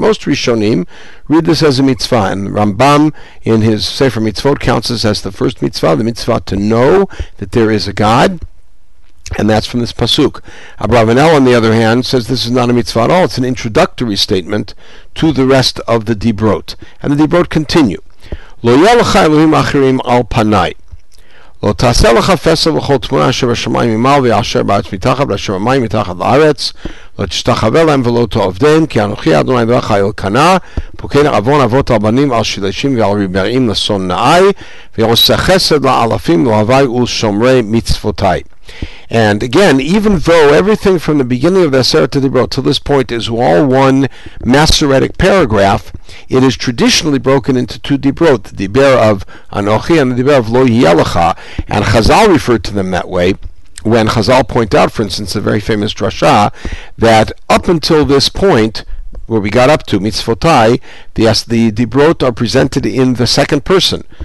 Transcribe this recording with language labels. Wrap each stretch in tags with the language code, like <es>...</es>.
<en>Most Rishonim read this as a mitzvah, and Rambam, in his Sefer Mitzvot, counts this as the first mitzvah, the mitzvah to know that there is a God, and that's from this pasuk. Abravanel, on the other hand, says this is not a mitzvah at all, it's an introductory statement to the rest of the Dibrot. And the Dibrot continue.</en> <he>Lo yalecha Elohim achirim al panai. לא תעשה לך פסל וכל תמונה אשר בשמיים ממעל ואשר בארץ מתחת ואשר במים מתחת לארץ לא תשתחווה להם ולא תעבדם כי אנוכי אדוני אלוהיך אלקנה פוקד עוון אבות הבנים על שלישים ועל רבעים לשונאי ועושה חסד לאלפים לאוהבי ולשומרי מצוותי.</he> <en>And again, even though everything from the beginning of the Aseret haDibrot to this point is all one Masoretic paragraph, it is traditionally broken into two Dibrot, the Dibur of Anochi and the Dibur of Lo Yelecha, and Chazal referred to them that way when Chazal pointed out, for instance, the very famous Drasha, that up until this point, where we got up to Mitzvotai, the Dibrot are presented in the second person.</en>